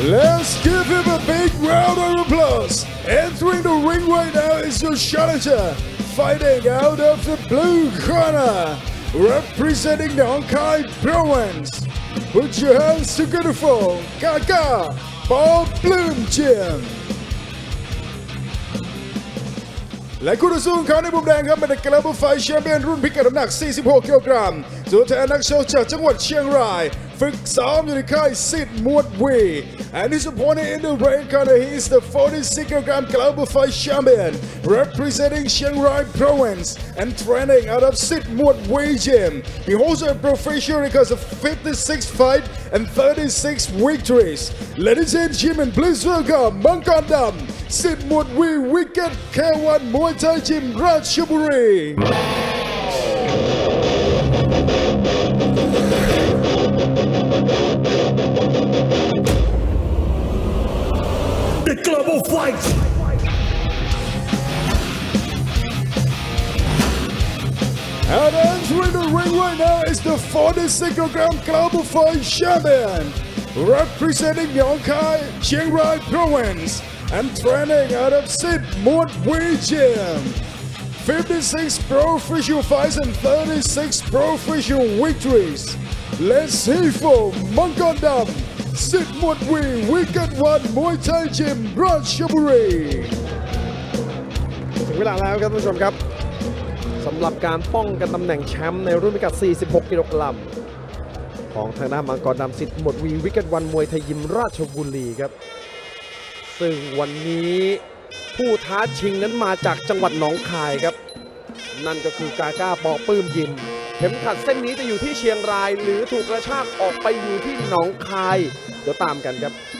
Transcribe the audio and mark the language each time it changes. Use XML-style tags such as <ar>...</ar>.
<en>Let's give him a big round of applause Entering the ring right now is your challenger Fighting out of the blue corner Representing the Hong Kong province Put your hands together for Kaka Bob Bloom Gym และคู่ต่อสู้ของเขาในมุมแดงครับเป็นกลับไฟแชมเปี้ยนรุ่นพิกัดน้ำหนัก46กิโลกรัม ตัวแทนนักชกจากจังหวัดเชียงรายฝึกซ้อมอยู่ในค่ายสิทธิ์มวดวี And his opponent in the ring corner is the 46 kilogram global fight champion representing Chiang Rai province and training out of Sit Muat Wai Gym. He holds a professional record of 56 fights and 36 victories. Ladies and gentlemen, please welcome Mang Kon Dam, Sit Muat Wai Wicked K1 Muay Thai Gym Ratchaburi. Global Fight! And entering the ring right now is the 46 kilogram Global Fight champion representing Yongkai, Chiang Rai province and training out of Sit Muat Wai Gym 56 professional fights and 36 professional victories Let's see for Mang Kon Dam Sit Muat Wai Wicked One Muay Thai Gym Ratchaburi</en> <th>ถึงเวลาแล้วครับท่านผู้ชมครับสำหรับการป้องกันตำแหน่งแชมป์ในรุ่นพิกัด46กิโลกรัมของทางด้านมังกรดำสิทธิ์หมดวีวิกเก็ตวันมวยไทยยิมราชบุรีครับซึ่งวันนี้ผู้ท้าชิงนั้นมาจากจังหวัดหนองคายครับนั่นก็คือกาก้าปอปื้มยิมเข็มขัดเส้นนี้จะอยู่ที่เชียงรายหรือถูกกระชากออกไปอยู่ที่หนองคายเดี๋ยวตามกันครับ</th>